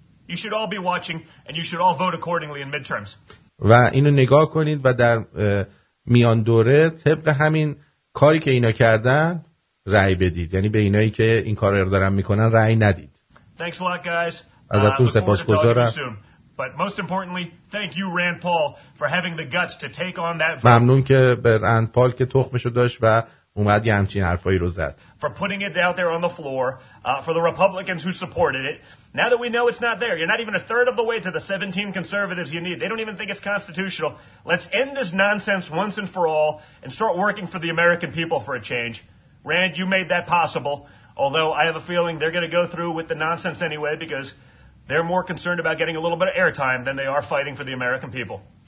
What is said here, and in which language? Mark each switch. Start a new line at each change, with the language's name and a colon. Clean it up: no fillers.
English: You should all be watching and you should all vote accordingly in midterms.
Persian: و اینو نگاه کنید و در میان دوره طبق همین کاری که اینا کردن رأی بدید، یعنی به اینایی که این کار رو دارن میکنن رأی ندید.
English: Thanks a lot, guys.
Persian: ازتون سپاسگزارم.
English: But most importantly, thank you, Rand Paul, for having the guts to take on that.
Persian: ممنون که به رند پال که تخمشو داشت و اومد یه همچین حرفایی رو زد.
English: For putting it out there on the floor, for the Republicans who supported it. Now that we know it's not there, you're not even a third of the way to the 17 conservatives you need. They don't even think it's constitutional. Let's end this nonsense once and for all and start working for the American people for a change. Rand, you made that possible. Although I have a feeling they're going to go through with the nonsense anyway because they're more concerned about getting a little bit of airtime than they are fighting for the American people.